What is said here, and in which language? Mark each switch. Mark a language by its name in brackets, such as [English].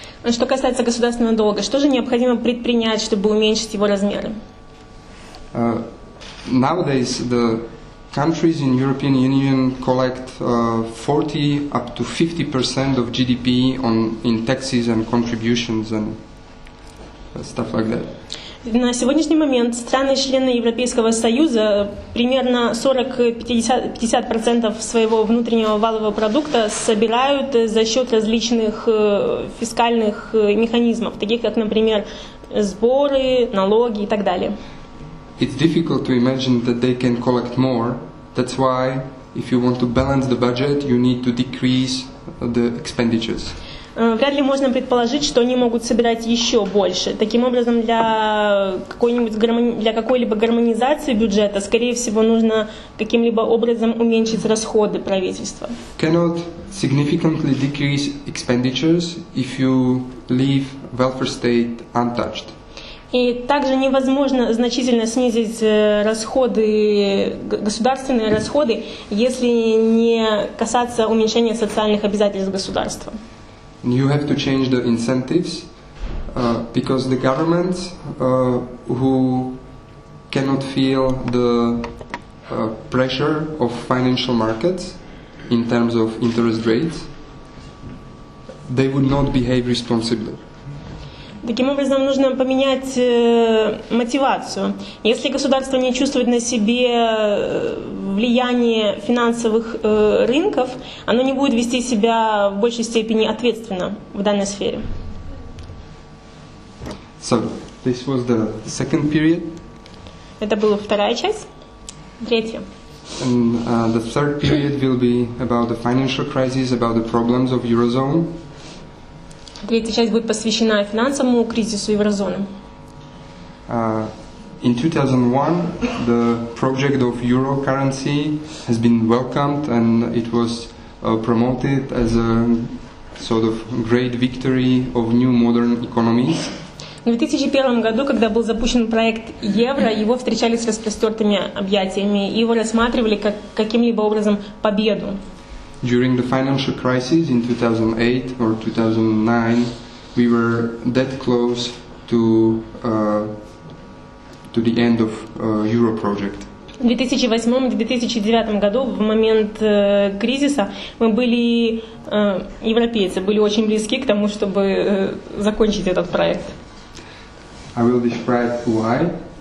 [Russian] Что касается государственного долга, что же необходимо предпринять, чтобы уменьшить его размеры? [English] Nowadays, the countries in European Union collect 40 up to 50% of GDP in taxes and contributions and stuff like that. [Russian] На сегодняшний момент страны-члены Европейского Союза примерно 40-50% своего внутреннего валового продукта собирают за счет различных фискальных механизмов, таких как, например, сборы, налоги и так далее. [English] It's difficult to imagine that they can collect more. That's why, if you want to balance the budget, you need to decrease the expenditures. [Russian] Вряд ли можно предположить, что они могут собирать еще больше. Таким образом, для какой-либо гармонизации бюджета, скорее всего, нужно каким-либо образом уменьшить расходы правительства. [English] Cannot significantly decrease expenditures if you leave welfare state untouched. [Russian] И также невозможно значительно снизить расходы, государственные расходы, если не касаться уменьшения социальных обязательств государства. [English] You have to change the incentives, because the governments who cannot feel the pressure of financial markets in terms of interest rates, they would not behave responsibly. [Russian] Таким образом, нужно поменять мотивацию. Если государство не чувствует на себе влияние финансовых рынков, оно не будет вести себя в большей степени ответственно в данной сфере. [English] So, this was the second period. [Russian] Это была вторая часть. Третья. [English] And the third period will be about the financial crisis, about the problems of Eurozone. [Russian] Третья часть будет посвящена финансовому кризису еврозоны. [English] In 2001, the project of euro currency has been welcomed and it was promoted as a sort of great victory of new modern economies. [Russian] В 2001 году, когда был запущен проект Евро, его встречали с распростертыми объятиями и его рассматривали как каким-либо образом победу. [English] During the financial crisis in 2008 or 2009, we were that close to the end of Euro project. [Russian] В 2008-2009 году, в момент кризиса, мы были, европейцы, были очень близки к тому, чтобы закончить этот проект. [English] I will describe why.